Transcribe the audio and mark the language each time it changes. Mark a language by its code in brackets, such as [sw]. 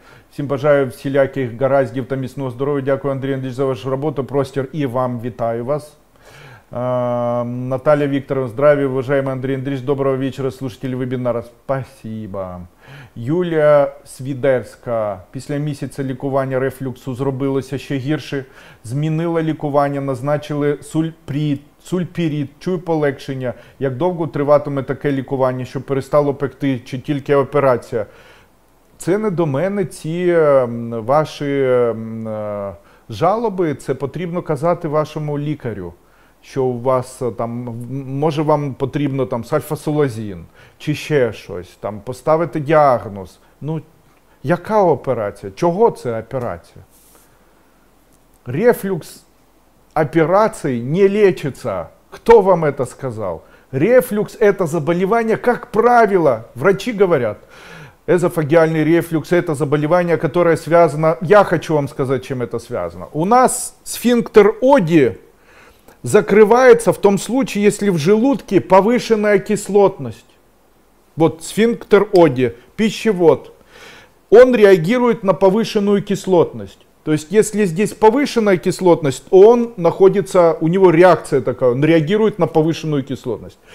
[uk] Всім бажаю всіляких гараздів та міцного здоров'я. Дякую, Андрій Андрійович, за вашу роботу, простір. І вам вітаю вас. [ru] Наталья Викторовна, здравия, уважаемый Андрей Андреевич, доброго вечера, слушатели вебинара, спасибо. [uk] Юлія Свідерська, після місяця лікування рефлюксу зробилося ще гірше, змінила лікування, назначили сульпірід, чую полегшення, як довго триватиме таке лікування, щоб перестало пекти, чи тільки операція? Це не до мене, ці ваші жалоби, це потрібно казати вашому лікарю. Що у вас там, може вам потрібно там сальфасолазін, чи ще щось, там поставити діагноз. Ну, яка операція? Чого це операція? Рефлюкс операції не лечиться. Хто вам це сказав? Рефлюкс – це заболівання, як правило, врачі говорять. Езофагіальний рефлюкс – це заболівання, яке зв'язане, я хочу вам сказати, чим це зв'язане. [ru] У нас сфінктер Оді закрывается в том случае, если в желудке повышенная кислотность. Вот сфинктер Оди, пищевод. Он реагирует на повышенную кислотность. То есть, если здесь повышенная кислотность, он находится, у него реакция такая, он реагирует на повышенную кислотность.